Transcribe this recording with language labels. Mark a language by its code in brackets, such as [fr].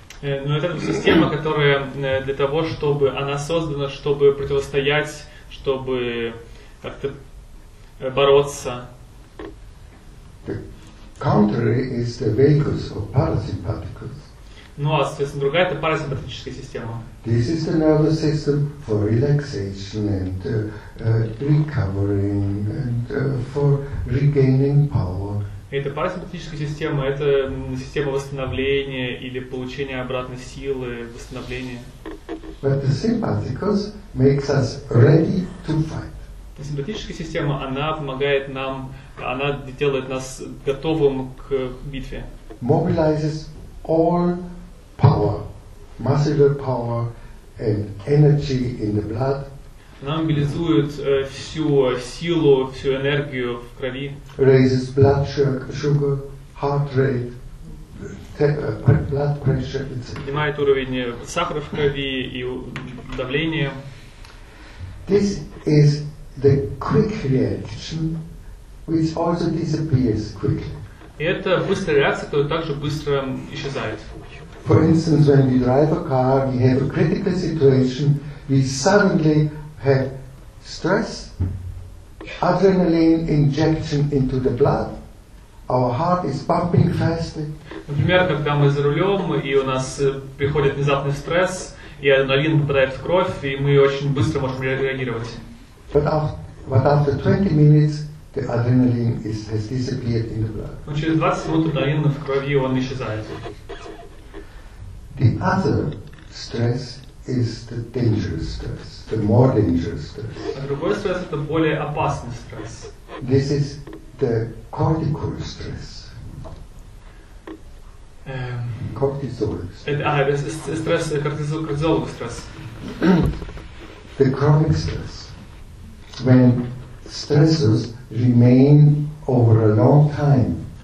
[ru] Но это система, которая для того, чтобы она создана, чтобы противостоять, чтобы как-то бороться. [en] The contrary is the vagus or parasympathicus. [ru] Ну а, соответственно, другая — это парасимпатическая система. [en] This is the nervous system for relaxation and recovering and for regaining power. [ru] Это парасимпатическая система — это система восстановления или получения обратной силы, восстановления. [en] But the sympathicus makes us ready to fight. [ru] Симпатическая система, она помогает нам, она делает нас готовым к битве. [en] Mobilizes all power, muscular power and energy in the blood. [ru] Она мобилизует всю силу, всю энергию в крови. [en] Raises blood sugar, heart rate, blood pressure. [ru] Поднимает уровень сахара в крови и давление. [en] This is the quick reaction, which also disappears quickly. [ru] Это быстрая реакция, которая также быстро исчезает. [en] For instance, when we drive a car, we have a critical situation, we suddenly have stress, adrenaline injection into the blood, our heart is pumping fastly. [ru] Например, когда мы за рулем, и у нас приходит внезапный стресс, и адреналин попадает в кровь, и мы очень быстро можем реагировать. [en] But after 20 minutes, the adrenaline has disappeared in the blood. [ru] Но через 20 минут адреналин в крови, он исчезает. [en] The other stress is the dangerous stress, the more dangerous stress. [ru] А другой стресс — это более опасный стресс. [en] This is the cortical stress. Cortisol. [ru] Это стресс. [en] The chronic stress. When stresses remain over a long time.